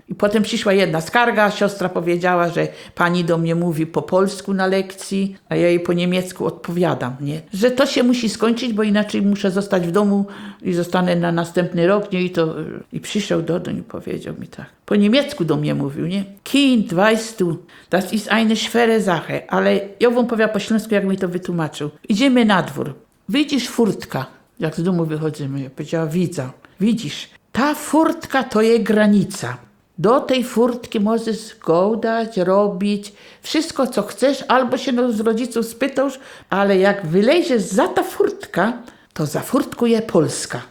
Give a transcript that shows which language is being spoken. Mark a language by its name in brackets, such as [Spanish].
[Polish] I potem przyszła jedna skarga, siostra powiedziała, że pani do mnie mówi po polsku na lekcji, a ja jej po niemiecku odpowiadam, nie? Że to się musi skończyć, bo inaczej muszę zostać w domu i zostanę na następny rok, nie? I to... I przyszedł do domu i powiedział mi tak. Po niemiecku do mnie mówił, nie? [German] Kind, weißt du, das ist eine schwere Sache. [Polish] Ale ja wam powiem po śląsku, jak mi to wytłumaczył. Idziemy na dwór. Widzisz furtka. Jak z domu wychodzimy, ja powiedziała, widzę. Widzisz, ta furtka to jest granica. Do tej furtki możesz gołdać, robić wszystko, co chcesz, albo się z rodziców spytasz, ale jak wylejesz za ta furtka, to za furtką jest Polska.